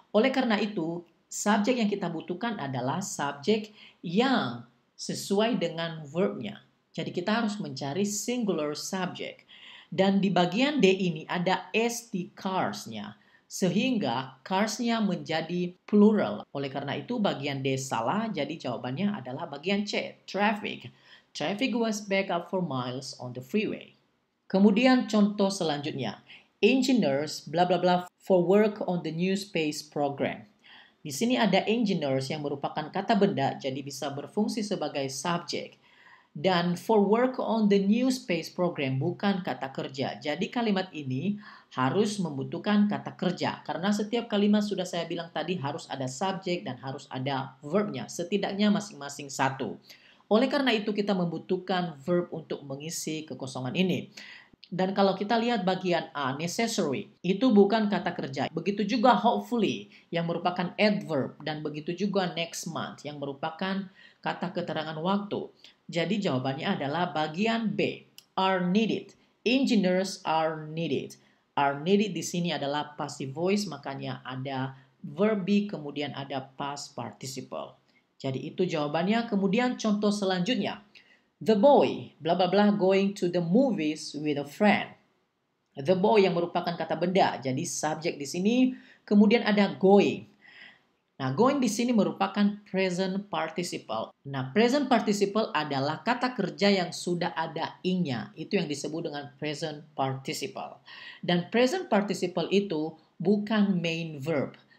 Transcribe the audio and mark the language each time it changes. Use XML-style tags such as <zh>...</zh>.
<id>Oleh karena itu, subjek yang kita butuhkan adalah subjek yang sesuai dengan verbnya. Jadi kita harus mencari singular subject. Dan di bagian D ini ada S di cars-nya. Sehingga cars-nya menjadi plural. Oleh karena itu bagian D salah, jadi jawabannya adalah bagian C, traffic.</id> <en>Traffic was back up for miles on the freeway.</en> <id>Kemudian contoh selanjutnya.</id> <en>Engineers blah blah blah for work on the new space program.</en> <id>Di sini ada engineers yang merupakan kata benda, jadi bisa berfungsi sebagai subject. Dan</id> <en>for work on the new space program</en> <id>bukan kata kerja. Jadi kalimat ini harus membutuhkan kata kerja. Karena setiap kalimat sudah saya bilang tadi harus ada subject dan harus ada verbnya. Setidaknya masing-masing satu. Oleh karena itu kita membutuhkan verb untuk mengisi kekosongan ini. Dan kalau kita lihat bagian A, necessary, itu bukan kata kerja. Begitu juga hopefully, yang merupakan adverb. Dan begitu juga next month, yang merupakan kata keterangan waktu. Jadi jawabannya adalah bagian B,</id> <en>are needed. Engineers are needed.</en> <id>Are needed di sini adalah passive voice, makanya ada verb be, kemudian ada past participle. Jadi itu jawabannya. Kemudian contoh selanjutnya.</id> <en>The boy, blah blah blah, going to the movies with a friend.</en> <id>The boy yang merupakan kata benda, jadi subject di sini. Kemudian ada going. Nah, going di sini merupakan present participle. Nah, present participle adalah kata kerja yang sudah ada ing-nya. Itu yang disebut dengan present participle. Dan present participle itu bukan main verb.</id>